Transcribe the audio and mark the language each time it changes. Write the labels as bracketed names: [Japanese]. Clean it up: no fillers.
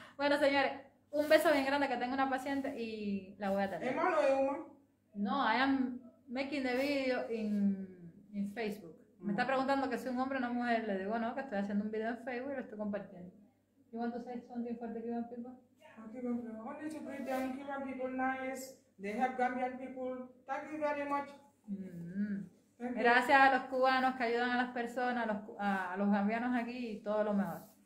[Spanish] Bueno, señores, un beso bien grande, que tengo una paciente y la voy a atender. ¿Es malo, [English] No, I am making the video in Facebook. Mm-hmm. [Spanish] Me está preguntando que soy un hombre o una mujer. Le digo, no, que estoy haciendo un video en Facebook y lo estoy compartiendo. [English] You want to say something for the Cuban people? I want to greet them, Cuban people nice. They help Gambian people. Thank you very much. Mm-hmm. [Spanish] Gracias a los cubanos que ayudan a las personas, a los gambianos aquí y todo lo mejor.